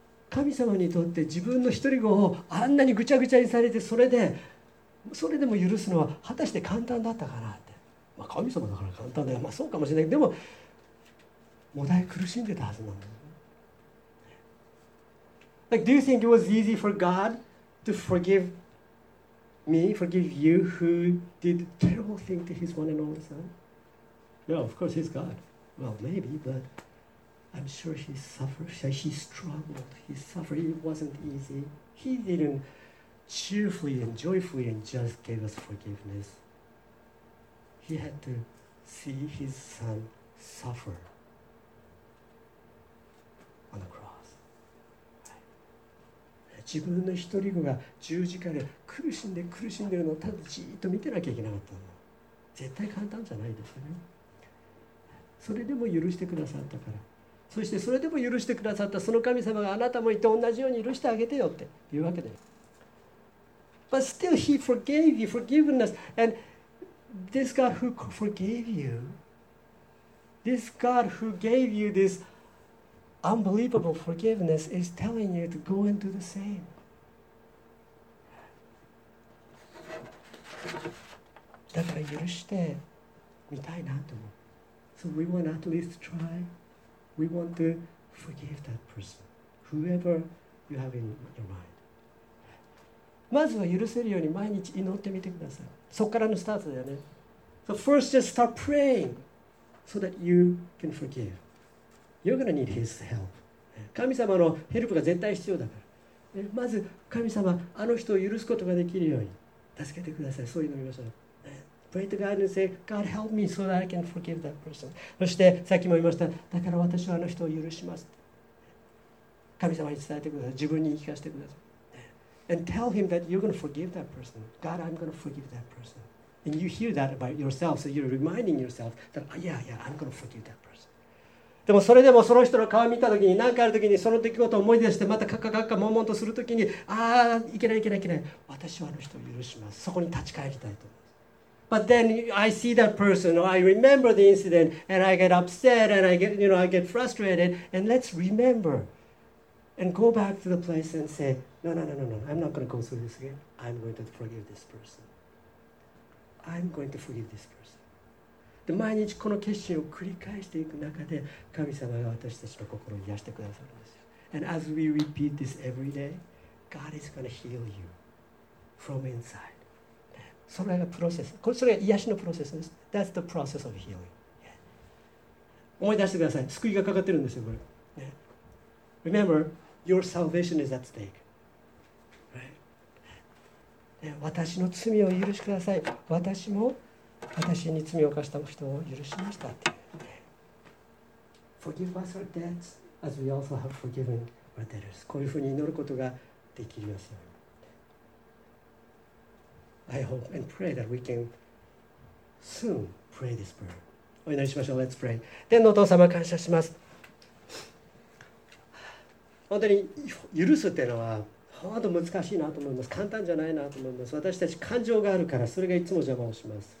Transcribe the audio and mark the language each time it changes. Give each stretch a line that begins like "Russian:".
Japanese: 神様にとって自分の一人子をあんなにぐちゃぐちゃにされて、それでも許すのは果たして簡単だったかなって。まあ、神様だから簡単だよ。まあそうかもしれない。でも、もだい苦しんでたはずなの。
English: Like, do you think it was easy for God to forgive? Me forgive you who did terrible thing to his one and only son? No, of course he's God. Well, maybe, but I'm sure he suffered, he struggled, he suffered, it wasn't easy. He didn't cheerfully and joyfully and just gave us forgiveness. He had to see his son suffer on the cross.
Japanese: 自分の一人子が十字架で苦しんで苦しんでるのをただじっと見てなきゃいけなかったの。絶対簡単じゃないですよね。それでも許してくださったから、そしてそれでも許してくださったその神様があなたも言って同じように許してあげてよっていうわけで。
English: But still he forgave you, forgiveness. And this God who forgave you, this God who gave you this unbelievable forgiveness is telling you to go and do the same.
Japanese: だから許してみたいなと思う。
English: So we want at least try. We want to forgive that person, whoever you have in your mind.
Japanese: まずは許せるように毎日祈ってみてください。そこからのスタートだよね。
English: So first just start praying so that you can forgive. You're going to need his help.
Japanese: 神様のヘルプが絶対必要だから。まず神様、あの人を許すことができるように助けてください。そう祈りましょう。
English: Pray to God and say, God help me so that I can forgive that person.
Japanese: そしてさっきも言いました、だから私はあの人を許します。神様に伝えてください。自分に聞かせてください。
English: And tell him that you're going to forgive that person. God, I'm going to forgive that person. And you hear that about yourself, so you're reminding yourself that, yeah, yeah, I'm going to forgive that person.
Japanese: でもそれでもその人の顔を見たときに、何かあるときに、その出来事を思い出して、またカッカカッカモンモンとするときに、ああ、いけないいけないいけない。私はあの人を許します。そこに立ち返りたいと。
English: But then I see that person, or I remember the incident, and I get upset, and I get, you know, I get frustrated, and let's remember, and go back to the place and say, no, no, no, no, no, I'm not going to go through this again. I'm going to forgive this person. I'm going to forgive this person.
Japanese: で、毎日この決心を繰り返していく中で、神様が私たちの心を癒してくださるんですよ。
English: And as we repeat this every day, God is going to heal you from inside.
Japanese: それがプロセス。それが癒しのプロセスです。
English: That's the process of healing.、Yeah.
Japanese: 思い出してください。救いがかかってるんですよ、これ。
English: Yeah. Remember, your salvation is at stake.、Right. Yeah.
Japanese: 私の罪を許しください。私も私に罪を犯した人を許しましたって。
English: Yeah. Forgive us our debts as we also have forgiven our debtors.
Japanese: こういうふうに祈ることができるんですよ。
English: I hope and pray that we can soon pray this prayer.
Japanese: お祈りしましょう。
English: Let's pray.
Japanese: 天のお父様、感謝します。本当に許すっていうのは本当に難しいなと思います。簡単じゃないなと思います。私たち感情があるから、それがいつも邪魔をします。